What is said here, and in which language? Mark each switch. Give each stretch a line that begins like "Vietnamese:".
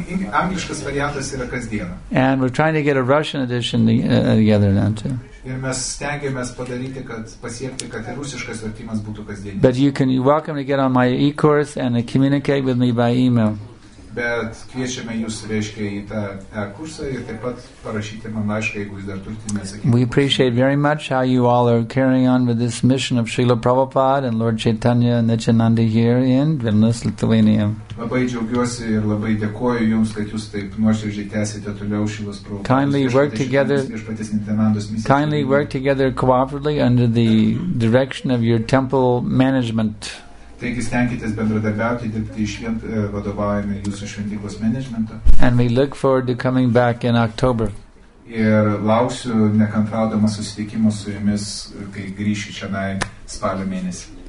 Lithuanian: Angliškas variantas yra kasdieną.
English: And we're trying to get a Russian edition together now too.
Lithuanian: Ir mes stengiamės padaryti, kad pasiekti, kad ir rusiškas vertimas būtų kasdienis.
English: But you're welcome to get on my e-course and communicate with me by email.
Lithuanian: bet kviečiame jūs, reiškia, į tą kursą ir taip pat parašyti man laišką, jeigu jūs dar turite nesakyti.
English: We appreciate very much how you all are carrying on with this mission of Srila Prabhupada and Lord Chaitanya Nityananda here in Vilnius, Lithuania.
Lithuanian: Labai džiaugiuosi ir labai dėkoju jums, kad jūs taip nuoširdžiai tęsite toliau Šrilos Prabhupados.
English: Kindly work together cooperatively under the direction of your temple management.
Lithuanian: Taigi stengitės bendradarbiauti, dirbti iš vien vadovavime jūsų šventyklos managemento.
English: And we look forward to coming back in October.
Lithuanian: Ir lauksiu nekantraudama susitikimo su jumis, kai grįšiu čianai spalio mėnesį.